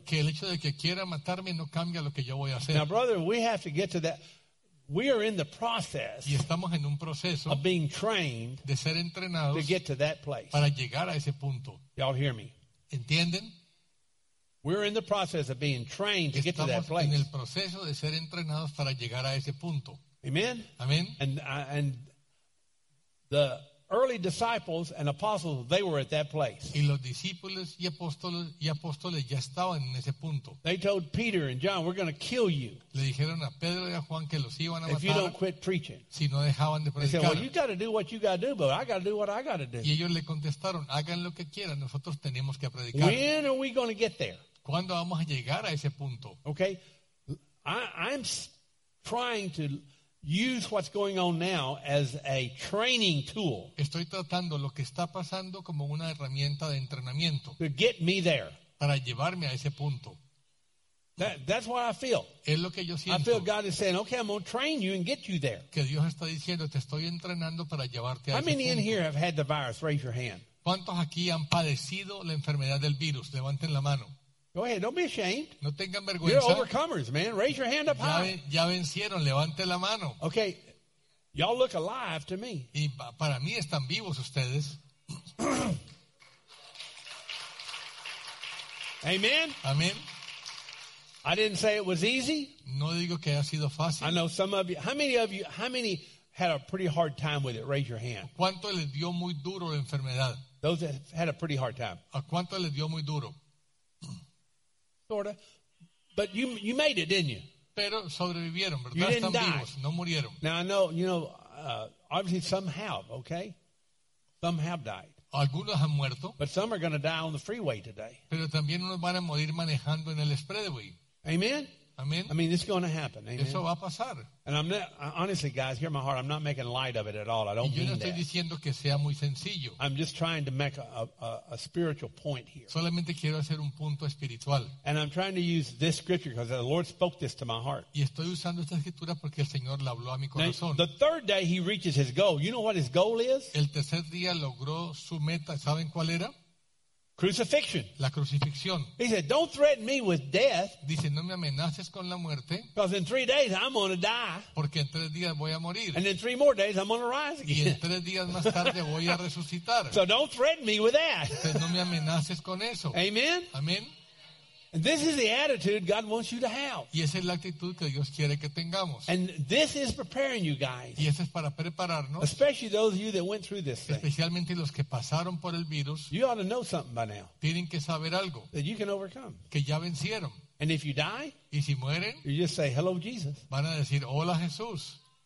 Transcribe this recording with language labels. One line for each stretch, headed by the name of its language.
Spanish: Que el hecho de que quiera matarme no cambia lo que yo voy a hacer.
English: Now, brother, we have to get to that. We are in the process.
Spanish: Y estamos en un proceso
English: of being trained
Spanish: de ser entrenados
English: to get to that place.
Spanish: Para llegar a ese punto.
English: Y'all hear me?
Spanish: ¿Entienden?
English: We're in the process of being trained to
Spanish: Estamos
English: get to that place.
Spanish: En el proceso de ser entrenados para llegar a ese punto. Amen. Amen.
English: And the early disciples and apostles, they were at that place.
Spanish: Y los discípulos y apóstoles ya estaban en ese punto.
English: They told Peter and John, "We're going to kill you."
Spanish: Le dijeron a Pedro y a Juan que los iban a
English: if
Spanish: matar.
English: If you don't quit preaching.
Spanish: Si no dejaban de predicar.
English: They said, "Well, you got to do what you got to do, but I got to do what I got to do."
Spanish: Y ellos le contestaron, "Hagan lo que quieran, nosotros tenemos que predicar."
English: When are we going to get there?
Spanish: ¿Cuándo vamos a llegar a ese punto?
English: Okay, I'm trying to use what's going on now as a training tool.
Spanish: Estoy tratando lo que está pasando como una herramienta de entrenamiento.
English: To get me there.
Spanish: Para llevarme a ese punto.
English: That's what I feel.
Spanish: Es lo que yo siento.
English: I feel God is saying, "Okay, I'm going to train you and get you there."
Spanish: Que Dios está diciendo, te estoy entrenando para llevarte a ese punto.
English: How many in here have had the virus? Raise your hand.
Spanish: ¿Cuántos aquí han padecido la enfermedad del virus? Levanten la mano.
English: Go ahead, don't be ashamed.
Spanish: No tengan vergüenza.
English: You're overcomers, man. Raise your hand up
Spanish: ya,
English: high.
Spanish: Ya vencieron, levante la mano.
English: Okay, y'all look alive to me.
Spanish: Y para mí están vivos ustedes.
English: Amen. Amen. I didn't say it was easy.
Spanish: No digo que haya sido fácil.
English: I know some of you, how many had a pretty hard time with it? Raise your hand.
Spanish: ¿Cuánto les dio muy duro la enfermedad?
English: Those that had a pretty hard time.
Spanish: ¿A cuánto les dio muy duro?
English: Sort of. But you made it, didn't you?
Spanish: Pero sobrevivieron, ¿verdad?
English: You didn't
Spanish: están
English: die.
Spanish: Vivos, no murieron.
English: Now I know, you know, obviously some have, okay? Some have died.
Spanish: Algunos han muerto.
English: But some are going to die on the freeway today.
Spanish: Pero también unos van a morir manejando en el expressway. Amen? Amen?
English: I mean, it's going to happen, amen?
Spanish: Eso va a pasar.
English: And I'm not, honestly, guys, hear my heart, I'm not making light of it at all. I don't
Spanish: yo no estoy
English: that.
Spanish: Diciendo que sea muy sencillo.
English: I'm just trying to make a spiritual point here.
Spanish: Solamente quiero hacer un punto espiritual.
English: And I'm trying to use this scripture because the Lord spoke this to my heart.
Spanish: Y estoy usando esta escritura porque el Señor la habló a mi corazón.
English: Now, the third day he reaches his goal. You know what his goal is?
Spanish: El tercer día logró su meta. ¿Saben cuál era?
English: Crucifixion.
Spanish: La crucifixión.
English: He said, "Don't threaten me with death."
Spanish: Dice, no me amenaces con la muerte.
English: Because in 3 days I'm going to die.
Spanish: Porque en 3 días voy a morir.
English: And in 3 more days I'm going to rise again.
Spanish: Y en 3 días más tarde voy a resucitar.
English: So don't threaten me with that.
Spanish: Entonces, no me amenaces con eso. Amen. Amen.
English: And this is the attitude God wants you to have.
Spanish: Y esa es la actitud que Dios quiere que tengamos.
English: And this is preparing you guys.
Spanish: Y eso es para prepararnos.
English: Especially those of you that went through this thing.
Spanish: Especialmente los que pasaron por el virus.
English: You ought to know something by now.
Spanish: Tienen que saber algo.
English: That you can overcome.
Spanish: Que ya vencieron.
English: And if you die.
Spanish: Y si mueren.
English: You just say, "Hello, Jesus."
Spanish: Van a decir, "Hola, Jesús."